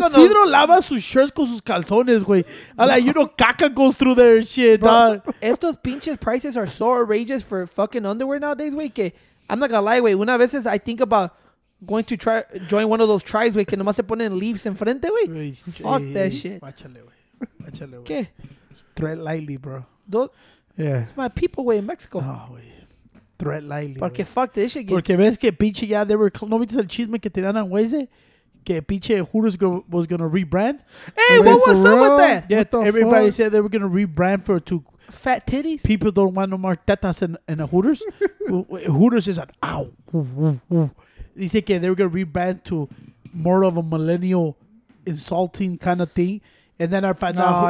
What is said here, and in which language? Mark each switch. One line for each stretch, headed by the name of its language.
Spanish: Cidro lava sus shirts con sus calzones, güey.
English: Like, you know, caca goes through their shit, dog.
Spanish: Estos pinches
English: prices are so outrageous for fucking underwear nowadays, güey, que I'm not gonna lie, wait.
Spanish: Una veces
English: I think about going to try join one of those tribes, wait.
Spanish: Que nomás se ponen leaves en frente,
English: wey. Fuck that shit.
Spanish: Watchale, wey. Watchale, wey. ¿Qué?
English: Threat lightly, bro. It's my people, wey, in Mexico. No, wey. Threat lightly.
Spanish: Porque wey.
English: Fuck this shit.
Spanish: Porque ves que pinche ya,
English: they were.
Spanish: ¿No viste el chisme que tiran a Weze? Que pinche
English: Hooters was gonna rebrand. Hey, wait, what was up with that? Yeah, everybody said they were gonna rebrand for two. Fat titties. People don't want no more tetas in a Hooters. Hooters is an ow. They say they're gonna rebrand to more of a millennial insulting kind of thing, and then I find out.